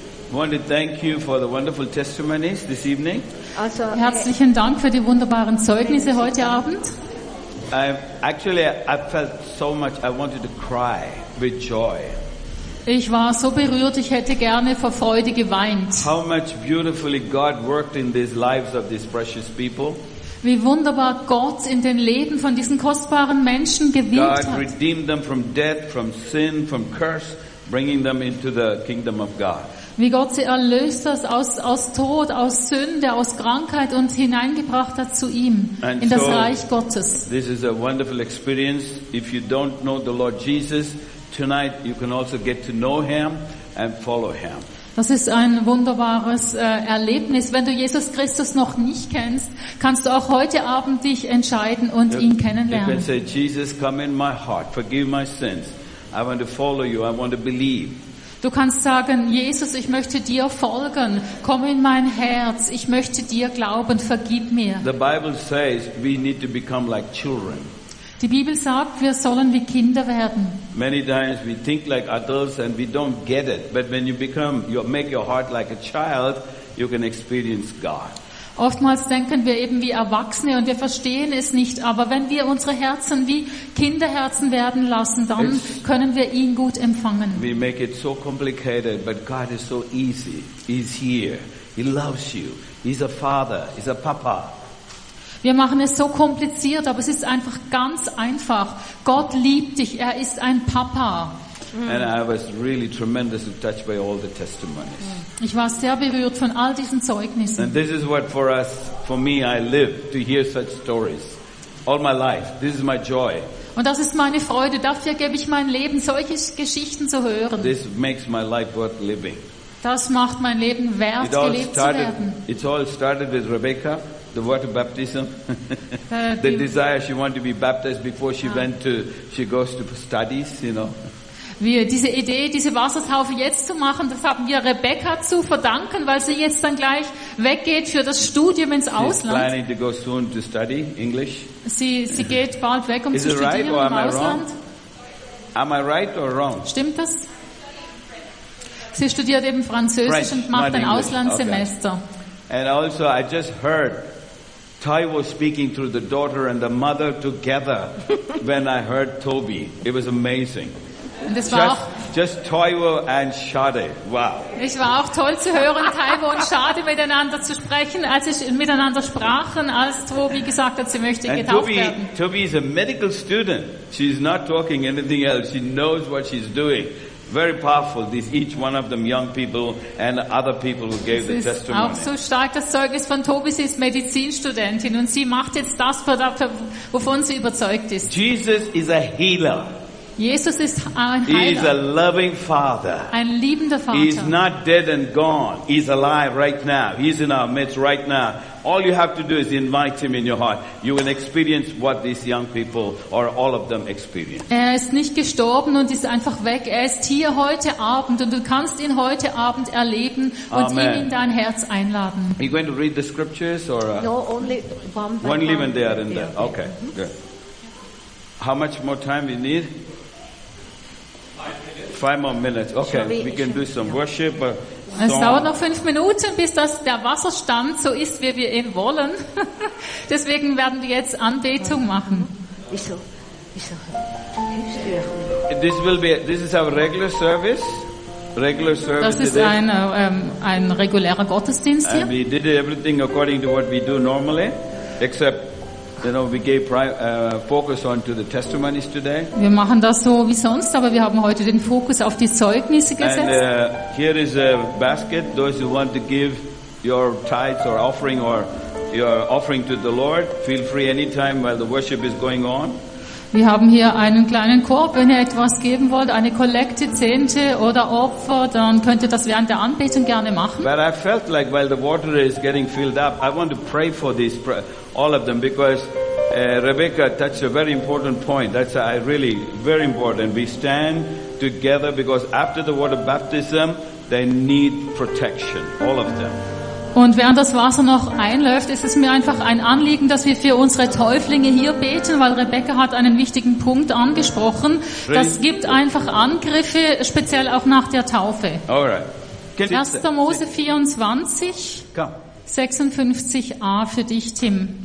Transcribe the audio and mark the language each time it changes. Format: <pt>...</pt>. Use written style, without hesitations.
<en>I want to thank you for the wonderful testimonies this evening.</en> <de>Also, herzlichen Dank für die wunderbaren Zeugnisse heute Abend.</de> <en>I felt so much, I wanted to cry with joy.</en> <de>Ich war so berührt, ich hätte gerne vor Freude geweint.</de> <en>How much beautifully God worked in these lives of these precious people.</en> <de>Wie wunderbar Gott in den Leben von diesen kostbaren Menschen gewirkt hat.</de> <en>God redeemed them from death, from sin, from curse, bringing them into the kingdom of God.</en> <de>Wie Gott sie erlöst hat aus Tod, aus Sünde, aus Krankheit und hineingebracht hat zu ihm,</de> <en>and in so</en> <de>das Reich Gottes.</de> <en>This is a wonderful experience. If you don't know the Lord Jesus, tonight you can also get to know him and follow him.</en> <de>Das ist ein wunderbares Erlebnis. Wenn du Jesus Christus noch nicht kennst, kannst du auch heute Abend dich entscheiden und ihn kennenlernen.</de> <en>You can say, Jesus, come in my heart, forgive my sins. I want to follow you, I want to believe.</en> <de>Du kannst sagen, Jesus, ich möchte dir folgen. Komm in mein Herz, ich möchte dir glauben, vergib mir.</de> <en>The Bible says we need to become like children.</en> <de>Die Bibel sagt, wir sollen wie Kinder werden.</de> <en>Many times we think like adults and we don't get it. But when you become, you make your heart like a child, you can experience God.</en> <de>Oftmals denken wir eben wie Erwachsene und wir verstehen es nicht. Aber wenn wir unsere Herzen wie Kinderherzen werden lassen, dann können wir ihn gut empfangen.</de> <en>We make it so complicated, but God is so easy. He's here. He loves you. He's a father. He's a papa.</en> <de>Wir machen es so kompliziert, aber es ist einfach ganz einfach. Gott liebt dich, er ist ein Papa.</de> <en>And I was really tremendously touched by all the testimonies.</en> <de>Ich war sehr berührt von all diesen Zeugnissen.</de> <en>And this is what for us, for me, I live to hear such stories. All my life, this is my joy.</en> <de>Und das ist meine Freude, dafür gebe ich mein Leben, solche Geschichten zu hören.</de> <en>This makes my life worth living.</en> <de>Das macht mein Leben wert, gelebt zu werden.</de> <en>It all started with Rebecca. The water baptism, the desire she wanted to be baptized before she went to, she goes to studies, you know.</en> <de>Wir diese Idee, diese Wassertaufe jetzt zu machen, das haben wir Rebecca zu verdanken, weil sie jetzt dann gleich weggeht für das Studium ins Ausland.</de> <en>She's planning to go soon to study English.</en> <de>Sie geht bald weg, um</de> <en>Is</en> <de>zu studieren</de> <en>right or</en> <de>im Ausland.</de> <en>Am I right or wrong?</en> <de>Stimmt das? Sie studiert eben Französisch</de> <en>French,</en> <de>und macht ein Auslandssemester.</de> <en>Okay. And also, I just heard Tai was speaking through the daughter and the mother together when I heard Toby. It was amazing.</en> <de>Und es war</de> <en>just Toivo and Shade. Wow.</en> <de>Es war auch toll zu hören, Toivo und Shade miteinander zu sprechen, als sie miteinander sprachen, als Toby gesagt hat, sie möchte getauft werden.</de> <en>Toby is a medical student. She's not talking anything else. She knows what she's doing. Very powerful, these each one of them young people and other people who gave the testimony.</en> <de>Auch so stark das Zeugnis von Toby, sie ist Medizinstudentin und sie macht jetzt das, wovon sie überzeugt ist.</de> <en>Jesus is a healer.</en> <de>Jesus ist ein Heiler.</de> <en>He is a loving father.</en> <de>Ein liebender Vater.</de> <en>He is not dead and gone. He is alive right now. He is in our midst right now. All you have to do is invite him in your heart. You will experience what these young people or all of them experience.</en> <de>Er ist nicht gestorben und ist einfach weg. Er ist hier heute Abend und du kannst ihn heute Abend erleben und</de> <en>Amen.</en> <de>Ihn in dein Herz einladen.</de> <en>Are you going to read the scriptures or? No, only one. Okay, good. How much more time we need? 5 minutes. 5 more minutes. Okay, we can do some worship.</en> <de>Es dauert noch 5 Minuten, bis der Wasserstand so ist, wie wir ihn wollen. Deswegen werden wir jetzt Anbetung machen.</de> <en>This is our regular service. Regular service.</en> <de>Das ist ein regulärer Gottesdienst hier.</de> <en>And we did everything according to what we do normally, except. You know, we gave focus on to the testimonies today.</en> <de>Wir machen das so wie sonst, aber wir haben heute den Fokus auf die Zeugnisse gesetzt.</de> <en>And here is a basket. Those who want to give your tithes or offering or your offering to the Lord, feel free anytime while the worship is going on.</en> <de>Wir haben hier einen kleinen Korb, wenn ihr etwas geben wollt, eine Kollekte, Zehnte oder Opfer, dann könnt ihr das während der Anbetung gerne machen.</de> <en>But I felt like while the water is getting filled up, I want to pray for these all of them because Rebecca touched a very important point. That's really very important. We stand together because after the water baptism, they need protection, all of them.</en> <de>Und während das Wasser noch einläuft, ist es mir einfach ein Anliegen, dass wir für unsere Täuflinge hier beten, weil Rebecca hat einen wichtigen Punkt angesprochen. Das gibt einfach Angriffe, speziell auch nach der Taufe.</de> <en>All right.</en> <de>1. Mose 24, 56a für dich, Tim.</de>